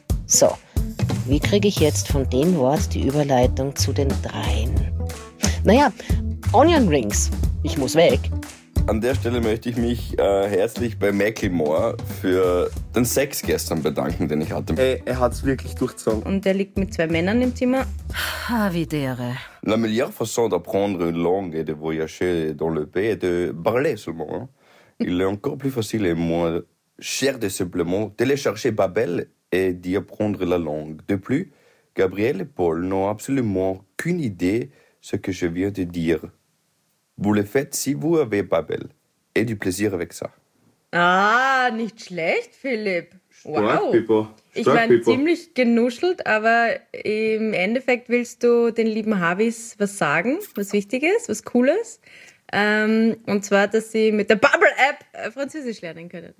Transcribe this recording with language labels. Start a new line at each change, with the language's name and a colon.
German: So, wie kriege ich jetzt von dem Wort die Überleitung zu den dreien? Naja, Onion Rings, ich muss weg. An der Stelle möchte ich mich herzlich bei Macklemore für den Sex gestern bedanken, den ich hatte. Ey, er hat's wirklich durchgezogen. Und er liegt mit zwei Männern im Zimmer. Ha, wie dere.
French: La meilleure façon d'apprendre une langue et de voyager dans le pays est de parler seulement. Il est encore plus facile et moins cher de simplement télécharger Babbel et d'y apprendre la langue. De plus, Gabriel et Paul n'ont absolument aucune idée ce que je viens de dire. Vous le faites si vous avez Babbel. Et du plaisir avec ça.
German: Ah, nicht schlecht, Philipp. Wow. Ich meine, ziemlich genuschelt, aber im Endeffekt willst du den lieben Havis was sagen, was Wichtiges, was Cooles. Und zwar, dass sie mit der Babbel-App Französisch lernen können.